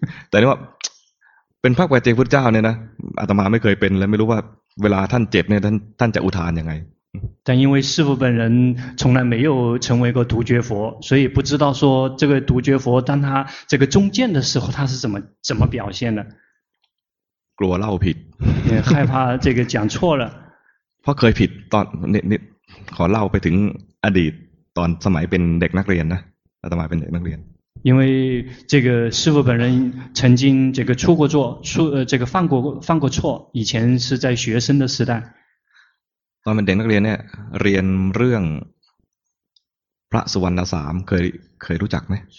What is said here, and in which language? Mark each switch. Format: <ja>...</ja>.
<th>แต่ว่าเป็นพระปัจเจกพุทธเจ้าเนี่ยนะอาตมาไม่เคยเป็นและไม่รู้ว่าเวลาท่านเจ็บเนี่ยท่านจะอุทานยังไง</th> <zh>但因为师父本人从来没有成为过独觉佛所以不知道说这个独觉佛当他这个中箭的时候他是怎么表现的</zh> <th>กลัวเล่าผิด</th> <zh>害怕这个讲错了</zh> <th>เพราะเคยผิดตอนนี่ขอเล่าไปถึงอดีตตอนสมัยเป็นเด็กนักเรียนนะอาตมาเป็นเด็กนักเรียน</th> <zh>因为这个师父本人曾经这个出过错出这个犯过错以前是在学生的时代</zh> <th>ตอนเป็นเด็กนักเรียนเนี่ยเรียนเรื่องพระสุวรรณสามเคยรู้จักไหม</th>